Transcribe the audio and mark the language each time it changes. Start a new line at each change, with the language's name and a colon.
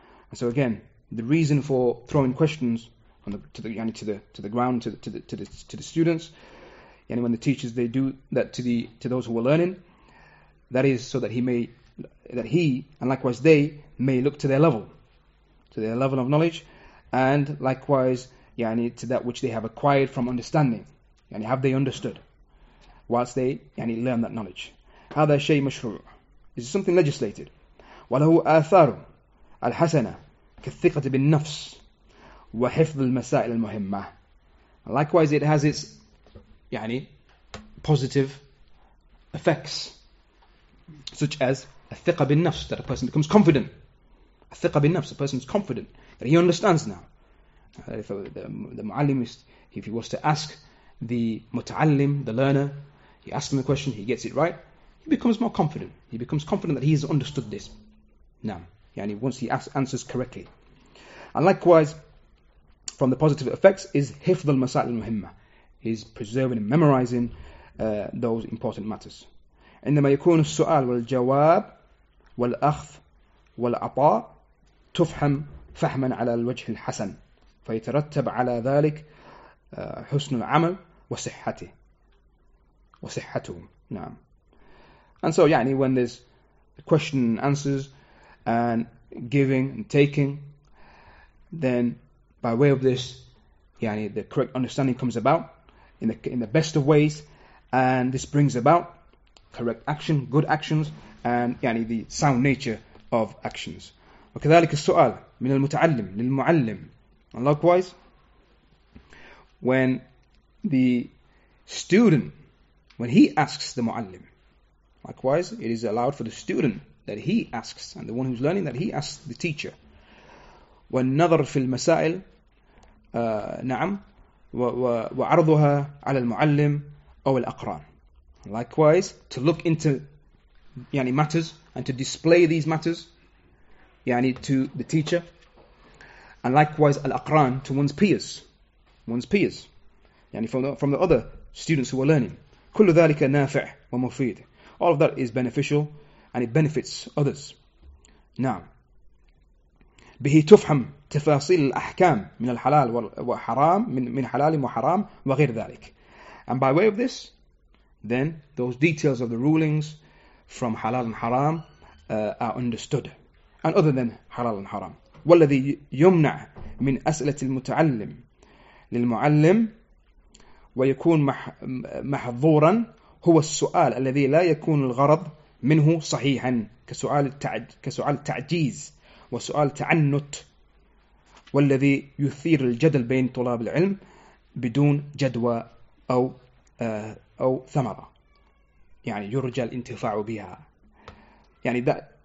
English: And so again, the reason for throwing questions on to the students, yani when the teachers they do that to those who are learning, that is so that he and likewise they may look to their level of knowledge, and likewise يعني to that which they have acquired from understanding, يعني have they understood whilst they يعني learn that knowledge.
Arabic: هذا شيء مشروع,
English: this is something legislated.
Arabic: وله آثار الحسنة كالثقة بالنفس وحفظ المسائل المهمة.
English: Likewise, it has its يعني positive effects, such as
Arabic: الثقة بالنفس,
English: that a person becomes confident.
Arabic: الثقة بالنفس,
English: a person is confident that he understands now. If the mu'allim, if he was to ask the mut'allim, the learner, he asks him a question, he gets it right, he becomes more confident. He becomes confident that he has understood this. Now, yani once he answers correctly. And likewise, from the positive effects is hifd al-masail al-muhimma, is preserving and memorizing those important matters.
Arabic: عندما يكون السؤال والجواب والأخذ والعطاء تفهم فهما على الوجه الحسن. فيترتب على ذلك حسن العمل وصحته. نعم.
English: And so,
Arabic: يعني
English: when there's question and answers and giving and taking, then by way of this, yani, the correct understanding comes about in the best of ways, and this brings about correct action, good actions, and yani, the sound nature of actions.
Arabic: وكذلك السؤال من المتعلم للمعلم.
English: And likewise, when the student, when he asks the mu'allim, likewise, it is allowed for the student that he asks, and the one who's learning, that he asks the teacher.
Arabic: وَالنَّظَرْ فِي الْمَسَائِلِ نَعَمْ وَعَرْضُهَا عَلَى الْمُعَلِّمِ أَوْ الْأَقْرَانِ.
English: Likewise, to look into yani, matters, and to display these matters yani, to the teacher. And likewise, al-aqran, to one's peers. One's peers. Yani, from the other students who are learning.
Arabic: كُلُّ ذَلِكَ نَافِعْ ومفيد.
English: All of that is beneficial, and it benefits others. Now,
Arabic: به تفهم تفاصيل الأحكام من الحلال وحرام من حلال وحرام وغير ذلك.
English: And by way of this, then those details of the rulings from halal and haram are understood. And other than halal and haram.
Arabic: والذي يمنع من أسئلة المتعلم للمعلم ويكون محظورا هو السؤال الذي لا يكون الغرض منه صحيحا كسؤال تعجيز وسؤال تعنت والذي يثير الجدل بين طلاب العلم بدون جدوى أو ثمرة يعني يرجى الانتفاع بها يعني